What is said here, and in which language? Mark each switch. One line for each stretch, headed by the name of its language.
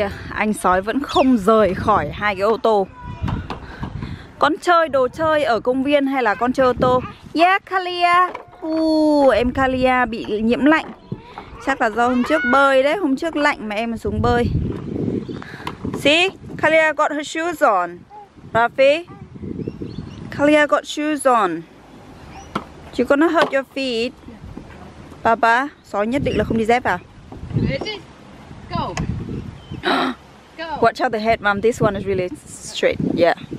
Vietnamese: Anh sói vẫn không rời khỏi hai cái ô tô. Con chơi đồ chơi ở công viên hay là con chơi ô tô? Yeah, Kalia. Em Kalia bị nhiễm lạnh. Chắc là do hôm trước bơi đấy. Hôm trước lạnh mà em xuống bơi.
English: See, Kalia got her shoes on. Rafi, Kalia got shoes on. You gonna hurt your feet.
Vietnamese: Papa, sói nhất định là không đi dép à?
English: Go. Watch out the head, mom. This one is really straight. Yeah.